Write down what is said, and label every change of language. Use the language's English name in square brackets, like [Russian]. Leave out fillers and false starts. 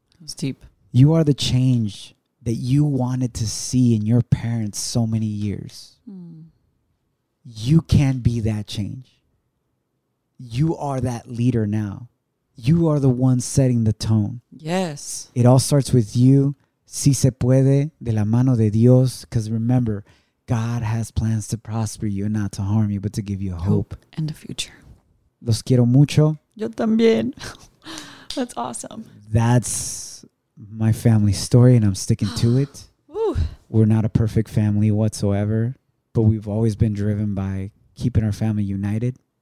[English] That's deep. You are the change that you wanted to see in your parents so many years. Mm. You can be that change. You are that leader now. You are the one setting the tone. Yes. It all starts with you. [Spanish] Si se puede, de la mano de Dios. [English] Because remember, God has plans to prosper you and not to harm you, but to give you hope. And a future. [Spanish] Los quiero mucho. Yo también. [English] That's awesome. That's my family story, and I'm sticking to it. We're not a perfect family whatsoever, but we've always been driven by keeping our family united.